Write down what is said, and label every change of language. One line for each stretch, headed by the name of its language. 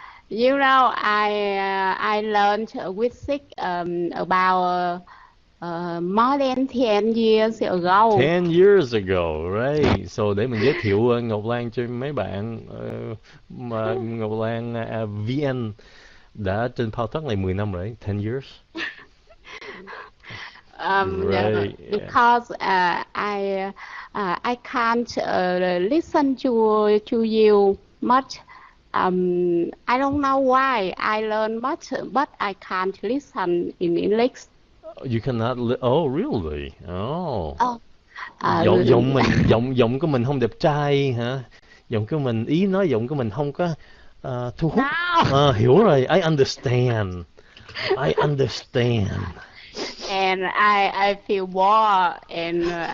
English: You know, I learned with Sig about more than 10 years ago. 10 years ago, right.
Vietnamese: So để mình giới thiệu Ngoc Lan cho mấy bạn. Mà Ngoc Lan VN đã trên Paltalk này 10 năm rồi, 10 years.
English: Right. Because I can't listen to you much. I don't know why I learn much, but I can't listen in English. You cannot. Oh, really? Oh. Oh.
Vietnamese: Giọng của mình không đẹp trai hả? Giọng của mình ý nói giọng của mình không có thu hút.
English: No.
Vietnamese: Hiểu rồi.
English: I understand. And I feel bored and